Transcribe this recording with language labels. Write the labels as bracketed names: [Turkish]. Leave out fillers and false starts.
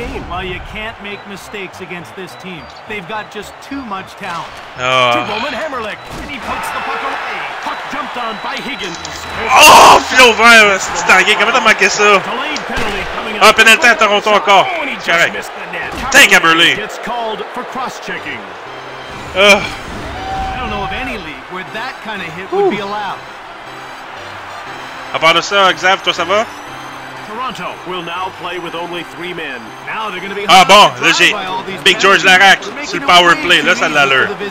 [English] Well, you can't make mistakes against this team. They've got just too much talent. Roman Hammerlick, and he pokes the puck away. Puck jumped on by Higgins. [French] Oh, Philo Vert, c'est Tanguay, comment t'as manqué ça? Ah, pénalité à Toronto encore. C'est correct. Tank à Berlin. [English] It's called for cross-checking. I don't know of any league where that kind of hit would be allowed. [French] À part de ça, Xav, toi ça va? [English] Toronto will now play with only three men. Now they're gonna be [French] ah bon, là j'ai Big George Larac sur le power play, là ça a de l'allure.